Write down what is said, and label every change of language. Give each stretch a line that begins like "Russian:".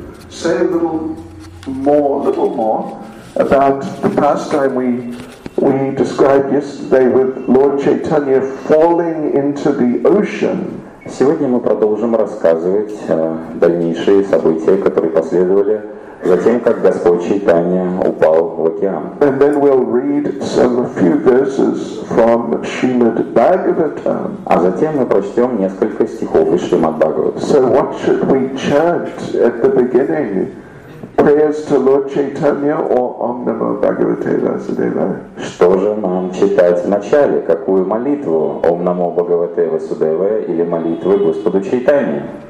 English: say a little more, about the pastime we described yesterday with Lord Chaitanya falling into the ocean.
Russian: Сегодня мы продолжим рассказывать дальнейшие события, которые последовали за тем, как Господь Чайтанья упал в океан.
English: And then we'll read some few verses from Srimad Bhagavatam.
Russian: А затем мы прочтем несколько стихов из Шримад Бхагаватам.
English: So what should we chant at the beginning? Prayers to Lord Chaitanya or Om Namo Bhagavate Vasudeva?
Russian: Что же нам читать в начале? Какую молитву? Ом Намо Бхагавате Васудева или молитву Господу Чайтанье?